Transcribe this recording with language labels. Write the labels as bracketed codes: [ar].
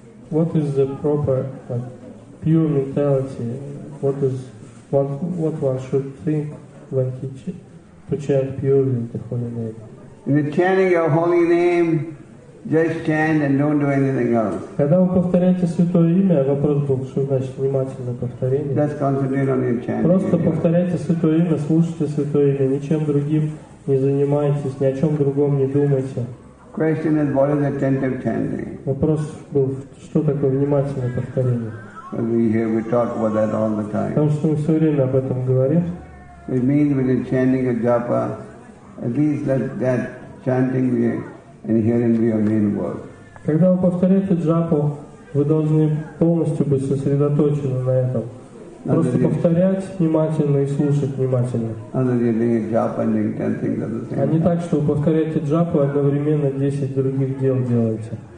[en] What is the proper, like, pure mentality? What is what one should think when teaching? To chant purely the holy name. In the chanting of holy name, just chant and don't do anything else. [ru] Когда вы повторяете святое имя, вопрос был, что значит внимательное повторение? [en] Just concentrate on your chanting. [ru] Просто повторяйте святое имя, слушайте святое имя, ничем другим не занимайтесь, ни о чем другом не думайте. [en] Question is, what is attentive chanting? [ru] Вопрос был, что такое внимательное повторение? [en] We talk about that all the time. [ru] Потому что мы все время об этом говорим. [en] It means when you're chanting a japa, at least that chanting we and hearing be your main work. [ru] Когда вы повторяете джапу, вы должны полностью быть сосредоточены на этом. Просто повторять внимательно и слушать внимательно. А не так, что вы повторяете джапу, а одновременно 10 других дел делаете.